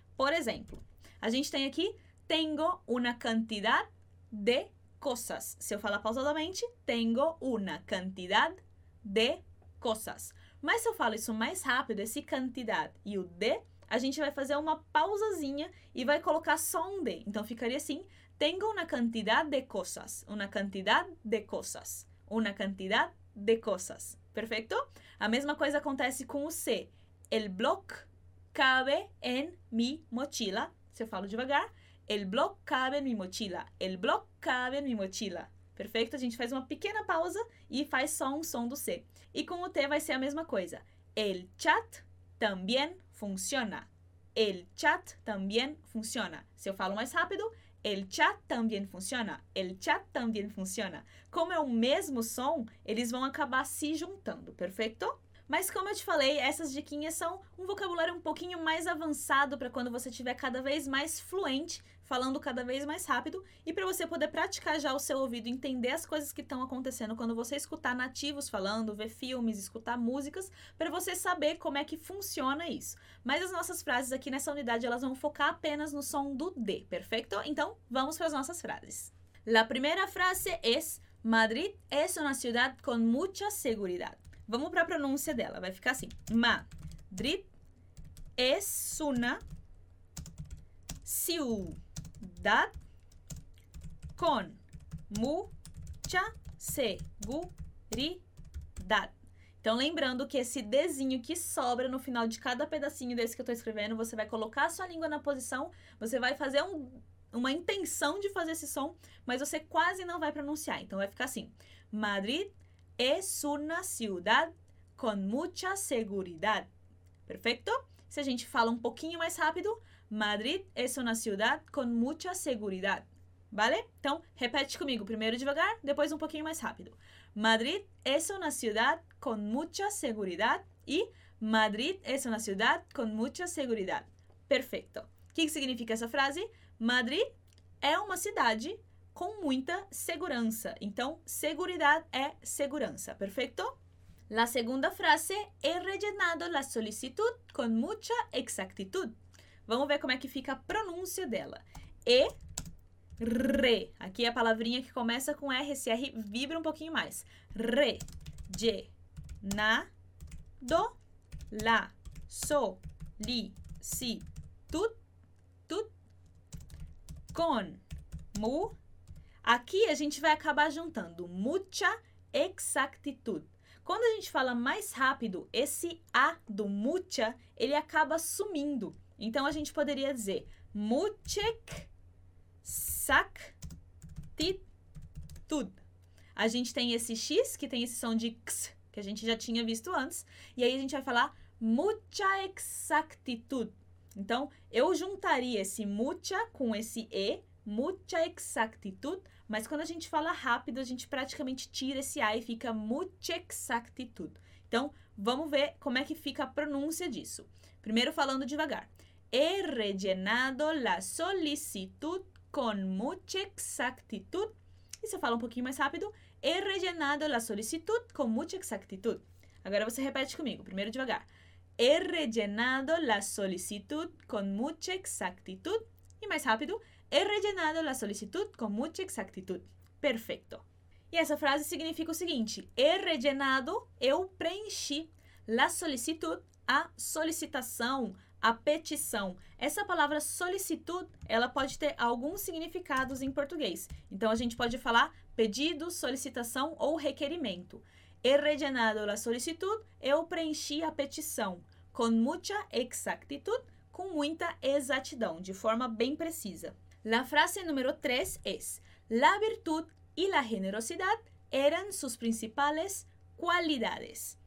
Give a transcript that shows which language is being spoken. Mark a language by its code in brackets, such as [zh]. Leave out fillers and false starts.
[pt] Por exemplo, a gente tem aqui [es] tengo una cantidad de cosas. [pt] Se eu falar pausadamente, [es] tengo una cantidad de cosas. [pt] Mas se eu falo isso mais rápido, esse cantidad e o de, a gente vai fazer uma pausazinha e vai colocar só um D. Então, ficaria assim. [es] Tengo una cantidad de cosas. Una cantidad de cosas. Una cantidad de cosas. Perfecto? [pt] A mesma coisa acontece com o C. [es] El bloc cabe en mi mochila. [pt] Se eu falo devagar. [es] El bloc cabe en mi mochila. El bloc cabe en mi mochila. [pt] Perfeito? A gente faz uma pequena pausa e faz só um som do C. E com o T vai ser a mesma coisa. [es] El chat también funciona. El chat también funciona. [pt] Se eu falo mais rápido, [es] el chat también funciona. El chat también funciona. [pt] Como é o mesmo som, eles vão acabar se juntando, perfeito? Mas como eu te falei, essas diquinhas são um vocabulário um pouquinho mais avançado para quando você estiver cada vez mais fluente, falando cada vez mais rápido, e para você poder praticar já o seu ouvido, entender as coisas que estão acontecendo quando você escutar nativos falando, ver filmes, escutar músicas, para você saber como é que funciona isso. Mas as nossas frases aqui nessa unidade, elas vão focar apenas no som do D, perfeito? Então, vamos para as nossas frases. [es] La primera frase es Madrid es una ciudad con mucha seguridad. [pt] Vamos para a pronúncia dela, vai ficar assim. [es] Madrid es una ciudad con mucha seguridad. [pt] Então, lembrando que esse Dzinho que sobra no final de cada pedacinho desse que eu estou escrevendo, você vai colocar a sua língua na posição, você vai fazer uma intenção de fazer esse som, mas você quase não vai pronunciar. Então, vai ficar assim. [es] Madrid es una ciudad con mucha seguridad. [pt] Perfeito? Se a gente fala um pouquinho mais rápido, [es] Madrid es una ciudad con mucha seguridad. [pt] Vale? Então, repete comigo. Primeiro devagar, depois um pouquinho mais rápido. [es] Madrid es una ciudad con mucha seguridad. E Madrid es una ciudad con mucha seguridad. [pt] Perfeito. O que significa essa frase? Madrid é uma cidade com muita segurança. Então, seguridad é segurança. Perfeito? [es] La segunda frase, he rellenado la solicitud con mucha exactitud. [pt] Vamos ver como é que fica a pronúncia dela. E, re. Aqui é a palavrinha que começa com R, esse R vibra um pouquinho mais. [es] Re, je, na, do, la, so, li, si, tut, tut, con, mu. [pt] Aqui a gente vai acabar juntando [es] mucha exactitud. [pt] Quando a gente fala mais rápido, esse A do mucha, ele acaba sumindo. Então, a gente poderia dizer muchek sak titud. A gente tem esse X, que tem esse som de X, que a gente já tinha visto antes. E aí, a gente vai falar [es] mucha exactitud. [pt] Então, eu juntaria esse mucha com esse E, [es] mucha exactitud. [pt] Mas quando a gente fala rápido, a gente praticamente tira esse A e fica [es] mucha exactitud. [pt] Então, vamos ver como é que fica a pronúncia disso. Primeiro falando devagar. [es] He rellenado la solicitud con mucha exactitud. [pt] E se eu falar um pouquinho mais rápido? [es] He rellenado la solicitud con mucha exactitud. [pt] Agora você repete comigo, primeiro devagar. [es] He rellenado la solicitud con mucha exactitud. [pt] E mais rápido. [es] He rellenado la solicitud con mucha exactitud. Perfecto. [pt] E essa frase significa o seguinte. [es] He rellenado, [pt] eu preenchi. [es] La solicitud, [pt] a solicitação, a petição. Essa palavra solicitud, ela pode ter alguns significados em português. Então, a gente pode falar pedido, solicitação ou requerimento. [es] He rellenado la solicitud, [pt] eu preenchi a petição. [es] Con mucha exactitud, [pt] com muita exatidão, de forma bem precisa. [es] La frase número 3 es, la virtud y la generosidad eran sus principales cualidades.